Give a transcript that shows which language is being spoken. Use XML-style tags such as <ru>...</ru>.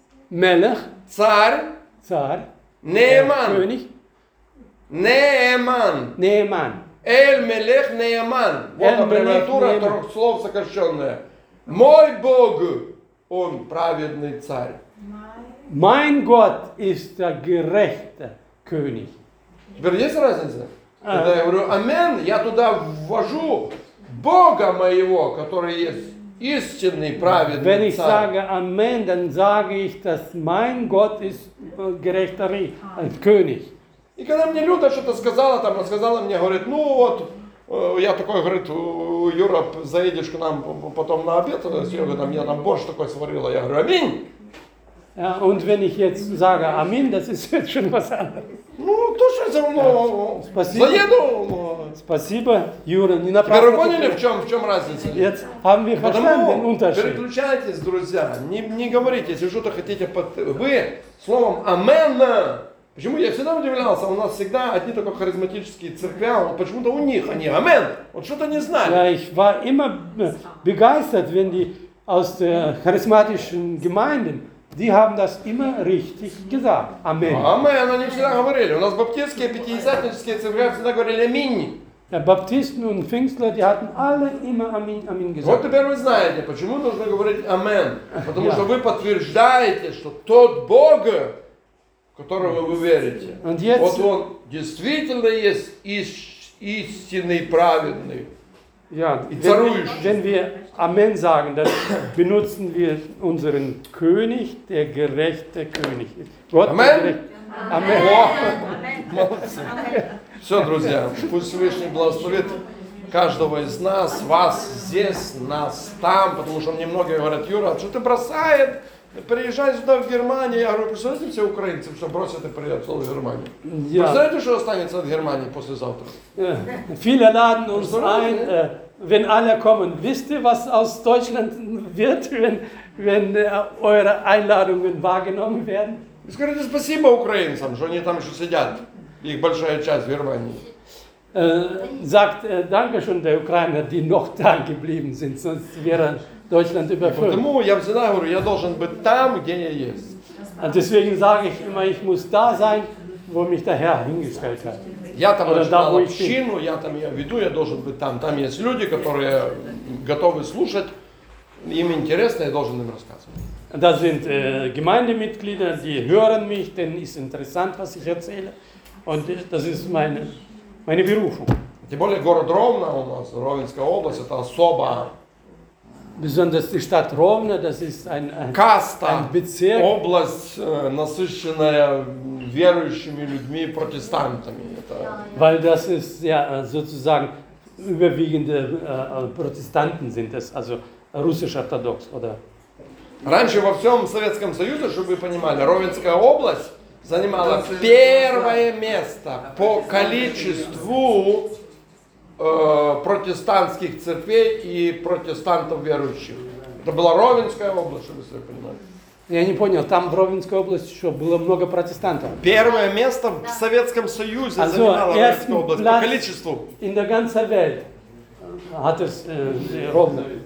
<ru>Мелех. Царь. Царь. Нееман.</ru> <de>König.</de> <ru>Нееман. Нееман. Эль-Мелех Нееман. Вот аббревиатура трех слов сокращенная. Мой Бог, он праведный царь.</ru> <de>Mein Gott ist der gerechte König.</de> <ru>Теперь есть разница? Когда я говорю амен, я туда ввожу Бога моего, который есть истинный праведный</ru> <de>Wenn</de> <ru>царь.</ru> <de>Wenn ich sage амен, dann sage ich, dass mein Gott ist gerechter König.</de> <ru>И когда мне Люда что-то сказала, там рассказала мне, говорит, ну вот, я такой, говорит, Юра, заедешь к нам потом на обед, Серега, там, я там борщ такой сварила, я говорю, аминь.</ru> <de>Ja, und wenn ich jetzt sage Amin, das ist jetzt schon was anderes.</de> <ru>Ну, тоже все равно, заеду. Спасибо, Юра, не напрасно. Теперь поняли, в чем разница?</ru> <de>Jetzt haben wir verstanden, Unterschied.</de> <ru>Потому, переключайтесь, друзья, не говорите, если что-то хотите, вы словом амин. Почему? Я всегда удивлялся, у нас всегда одни только харизматические церкви, почему-то у них они, амен, вот что-то не знали.</ru> <de>Ja, ich war immer begeistert, wenn die aus der charismatischen Gemeinden, die haben das immer richtig gesagt, амен.</de> <ru>Амен, они всегда говорили, у нас баптистские, пятидесятнические церкви всегда говорили аминь.</ru> <de>Ja, Baptisten und Pfingstler, die hatten alle immer амин, амин gesagt.</de> <ru>Вот теперь вы знаете, почему нужно говорить амен, потому что вы подтверждаете, что тот Бог, в которого вы верите. Yet, вот он действительно есть истинный праведный.</ru> <de>Ja,</de> <ru>и царующий.</ru> <de>Wenn wir Amen sagen, dann benutzen wir unseren König, der gerechte König. Gott Amen. Gerecht. Amen. Amen. Oh. Amen. Молодцы. Amen.</de> <ru>Все, друзья, пусть Всевышний благословит каждого из нас, вас здесь, нас там, потому что мне многие говорят, Юра, что ты бросает? Приезжай сюда, в Германию. Я говорю, представляете, все украинцы все бросят и приедут в Германию.</ru> <de>Ja.</de> <ru>Представляете, что останется от Германии послезавтра?</ru> <de>Viele laden uns ein, wenn alle kommen. Wisst ihr, was aus Deutschland wird, wenn eure Einladungen wahrgenommen werden?</de> <ru>Скажите спасибо украинцам, что они там еще сидят. Их большая часть в Германии.</ru> <de>Sagt danke schön der Ukrainer, die noch da geblieben sind, sonst wäre Deutschland überfüllt.</de> <ru>Потому я всегда говорю, я должен быть там, где я есть.</ru> <de>Deswegen sage ich immer, ich muss da sein, wo mich der Herr hingestellt hat.</de> <ru>Я там начинал общину, я там ее веду, я должен быть там. Там есть люди, которые готовы слушать, им интересно, я должен им рассказывать.</ru> <de>Da sind Gemeindemitglieder, die hören mich, denen ist interessant, was ich erzähle. Und das ist meine Berufung.</de> <ru>Тем более город Ровно у нас, Ровенская область, это особо.</ru> <de>Besonders die Stadt Ровно, das ist</de> <ru>каста, ein Bezirk, область, насыщенная верующими людьми, протестантами. Это...</ru> <de>Weil das ist, ja, sozusagen, überwiegende Protestanten sind das, also russisch-orthodox, oder?</de> <ru>Раньше во всем Советском Союзе, чтобы вы понимали, Ровенская область занимала первое место по количеству протестантских церквей и протестантов верующих. Это была Ровенская область, чтобы вы себе понимали. Я не понял, там в Ровенской области еще было много протестантов. Первое место в Советском Союзе</ru> <de>also</de> <ru>занимала Ровенская область по количеству.</ru> <de>In der ganzen Welt hat es Ровно.</de>